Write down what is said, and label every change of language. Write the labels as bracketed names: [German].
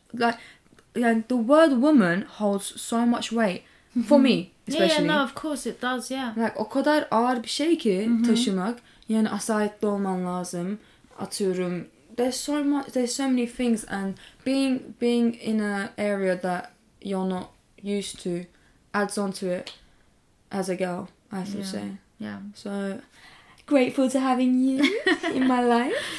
[English] Like, the word woman holds so much weight. Mm-hmm. For me, especially. Yeah, no, of course it does, yeah. [Turkish] Like, o kadar ağır bir şey ki, mm-hmm, taşımak. Yani asayetli olman lazım. Atıyorum... [English] There's so many things, and being in an area that you're not used to adds on to it as a girl, I should say. Yeah. So, grateful to having you in my life.